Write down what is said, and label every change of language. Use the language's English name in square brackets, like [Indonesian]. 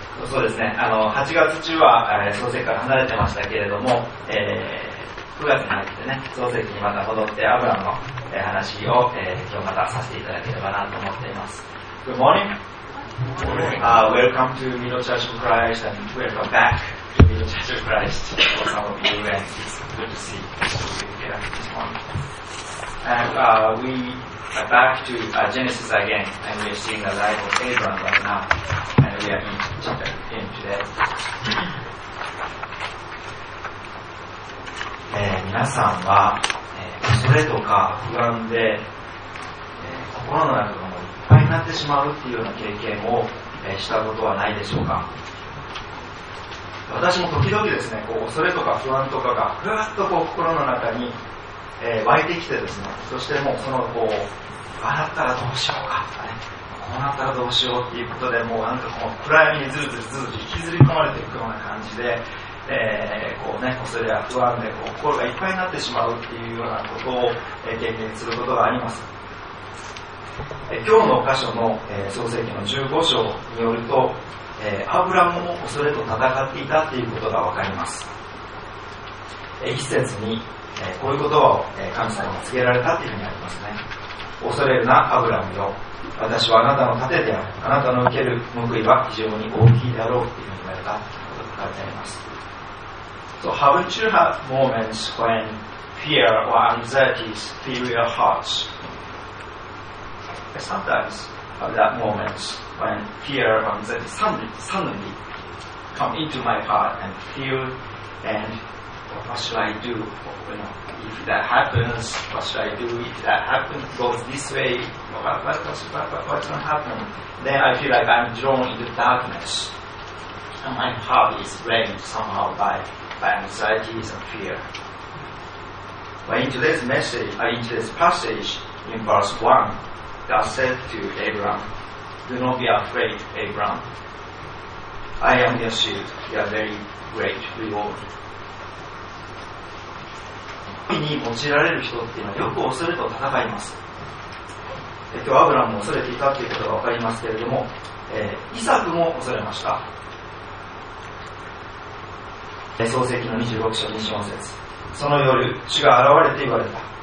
[Japanese] そうですね、あの8月中は創世から離れてましたけれども、9月に入ってね、創世記にまた戻ってアブラムの話を、今日またさせていただければなと思っています。 [English] Good morning Welcome to Middle Church of Christ and welcome back to Middle Church of Christ for some of you, and it's good to see you here this morning. And we are back to Genesis again, and we are seeing the life of Abraham right now, and we are in chapter 10 today. [Japanese] 皆さんは、恐れとか不安で、心の中のいっぱいになってしまうっていうような経験をしたことはないでしょうか。私も時々ですね、こう恐れとか不安とかがふわっとこう心の中に湧いてきてですね、そしてもうそのこう笑ったらどうしようか、こうなったらどうしようっていうことで、もうなんかこう暗闇にずるずるずるずる引きずり込まれていくような感じで、こうね、恐れや不安でこう心がいっぱいになってしまうっていうようなことを経験することがあります。今日の箇所の創世記の15章によると、アブラムも恐れと戦っていたということがわかります。一節にこういうことを神様が告げられたというふうにありますね。恐れるなアブラムよ、私はあなたの盾である、あなたの受ける報いは非常に大きいであろうというふうに言われたということが書かれてあります。 [English] So have you had moments when fear or anxieties fill your heartsSometimes at that moment when fear and anxiety suddenly come into my heart and feel, and what should I do? You know, if that happens, what should I do? If that happens, goes this way, what's going to happen? Then I feel like I'm drawn into darkness, and my heart is drained somehow by anxieties and fear. But in today's message, in today's passage in verse 1,God said to Abraham, Do not be afraid, Abraham. I am your shield, your very great reward. [Japanese] 神に用いられる人っていうのはよく恐れと戦います。今日アブラムも恐れていたということが分かりますけれども、イサクも恐れました。創世記の26章24節。その夜、主が現れて言われた。